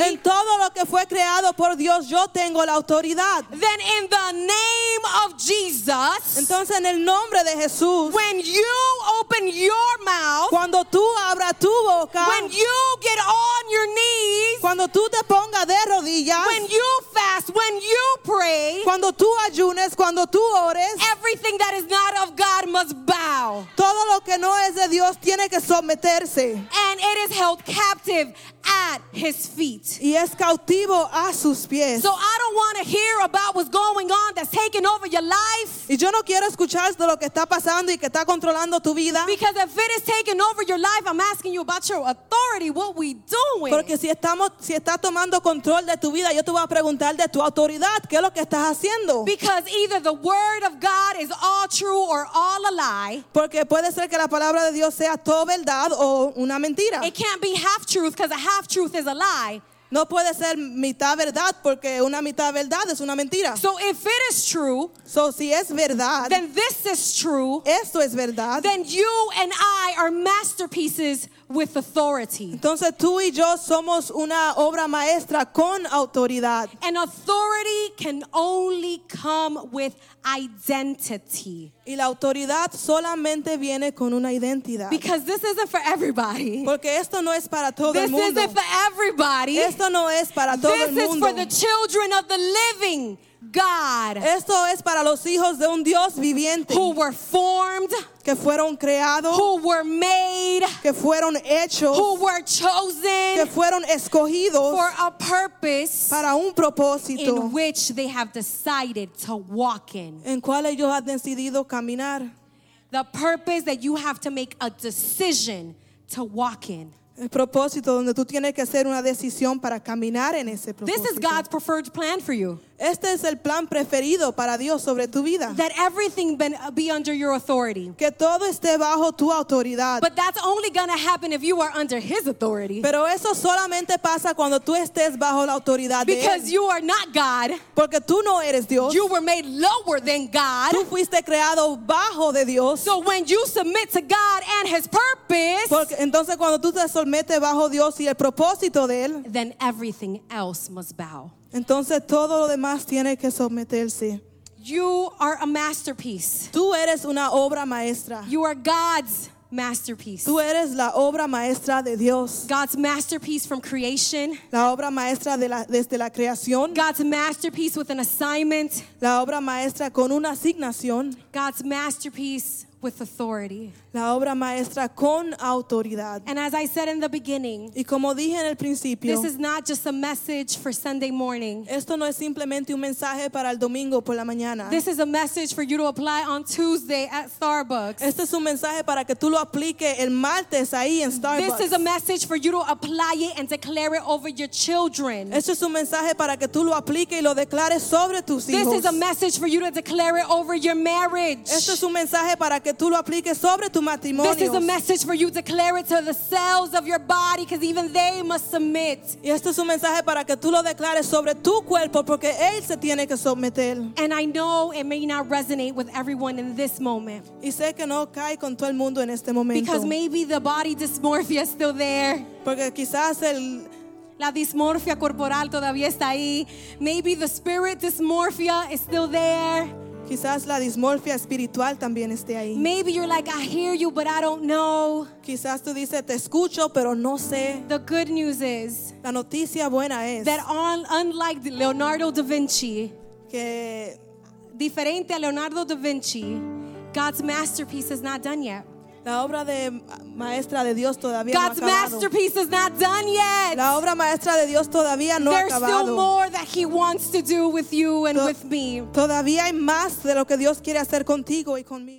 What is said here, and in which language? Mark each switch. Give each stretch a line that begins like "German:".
Spanish: En todo lo que fue creado por Dios, yo tengo la autoridad.
English: Then in the name of Jesus,
Spanish: entonces en el nombre de Jesús,
English: when you open your mouth,
Spanish: cuando tú abras tu boca,
English: when you get on your knees,
Spanish: cuando tú te pongas de rodillas,
English: when you fast, when you pray,
Spanish: cuando tú ayunes, cuando tú ores,
English: everything that is not of God must bow.
Spanish: Todo lo que no es de Dios tiene que someterse.
English: And it is held captive at his feet.
Spanish: Y es cautivo a sus pies.
English: So I don't want to hear about what's going on that's taking taking over your life.
Spanish: Y yo no quiero escuchar de lo que está pasando y que está controlando tu vida.
English: Because if it is taking over your life, I'm asking you about your authority. What we doing?
Spanish: Porque si está tomando control de tu vida, yo te voy a preguntar de tu autoridad, ¿qué es lo que estás haciendo?
English: Because either the word of God is all true or all a lie.
Spanish: Porque puede ser que la palabra de Dios sea todo verdad o una mentira.
English: It can't be half truth because a half truth is a lie.
Spanish: No puede ser mitad verdad porque una mitad verdad es una mentira.
English: So if it is true,
Spanish: so si es verdad,
English: then this is true.
Spanish: Esto es verdad.
English: Then you and I are masterpieces with authority.
Spanish: Entonces tú y yo somos una obra maestra con autoridad.
English: And authority can only come with identity.
Spanish: Y la autoridad solamente viene con una identidad.
English: Because this isn't for everybody.
Spanish: Porque esto no es para todo
English: this
Spanish: el mundo.
English: This isn't for everybody.
Spanish: Esto no es para
English: this
Spanish: todo el mundo.
English: This is for the children of the living God.
Spanish: Esto es para los hijos de un Dios viviente.
English: Who were formed.
Spanish: Que fueron creados.
English: Who were made.
Spanish: Que fueron hechos.
English: Who were chosen.
Spanish: Que fueron escogidos.
English: For a purpose.
Spanish: Para un propósito.
English: In which they have decided to walk in.
Spanish: En cual ellos han decidido caminar.
English: The purpose that you have to make a decision to walk in.
Spanish: El propósito donde tú tienes que hacer una decisión para caminar en ese propósito.
English: This is God's preferred plan for you.
Spanish: Este es el plan preferido para Dios sobre tu vida.
English: That everything be under your authority.
Spanish: Que todo esté bajo tu autoridad.
English: But that's only going to happen if you are under his authority.
Spanish: Pero eso solamente pasa cuando tú estés bajo la autoridad de él.
English: Because you are not God.
Spanish: Porque tú no eres Dios.
English: You were made lower than God.
Spanish: Tú fuiste creado bajo de Dios.
English: So when you submit to God and his purpose.
Spanish: Porque entonces cuando tú te sometes bajo Dios y el propósito de él,
English: then everything else must bow.
Spanish: Entonces todo lo demás tiene que someterse.
English: You are a masterpiece.
Spanish: Tú eres una obra maestra.
English: You are God's masterpiece.
Spanish: Tú eres la obra maestra de Dios.
English: God's masterpiece from creation.
Spanish: La obra maestra de la, desde la creación.
English: God's masterpiece with an assignment.
Spanish: La obra maestra con una asignación.
English: God's masterpiece with authority.
Spanish: La obra maestra con autoridad.
English: And as I said in the beginning,
Spanish: y como dije en el principio,
English: this is not just a message for Sunday morning.
Spanish: Esto no es simplemente un mensaje para el domingo por la mañana.
English: This is a message for you to apply on Tuesday at Starbucks.
Spanish: Este es un mensaje para que tú lo aplique el martes ahí en Starbucks.
English: This is a message for you to apply it and declare it over your children.
Spanish: Este es un mensaje para que tú lo aplique y lo declares sobre tus hijos.
English: This is a message for you to declare it over your marriage.
Spanish: Este es un mensaje para que tú lo apliques sobre tu matrimonio.
English: This is a message for you to declare it to the cells of your body because even they must submit.
Spanish: Y esto es un mensaje para que tú lo declares sobre tu cuerpo porque él se tiene que someter.
English: And I know it may not resonate with everyone in this moment.
Spanish: Y sé que no cae con todo el mundo en este momento.
English: Because maybe the body dysmorphia is still there.
Spanish: Porque quizás el la dismorfia corporal todavía está ahí.
English: Maybe the spirit dysmorphia is still there.
Spanish: Quizás la dismorfia espiritual también esté ahí.
English: Maybe you're like, I hear you, but I don't know.
Spanish: Quizás tú dices, te escucho, pero no sé.
English: The good news is,
Spanish: la noticia buena es,
English: that unlike Leonardo da Vinci,
Spanish: que diferente a
English: Leonardo da Vinci, God's masterpiece is not done yet.
Spanish: La obra de maestra de Dios todavía
English: God's
Spanish: no ha acabado.
English: God's masterpiece is not done yet.
Spanish: La obra maestra de Dios todavía no
English: There's
Spanish: ha acabado.
English: There's still more that he wants to do with you and with me.
Spanish: Todavía hay más de lo que Dios quiere hacer contigo y conmigo.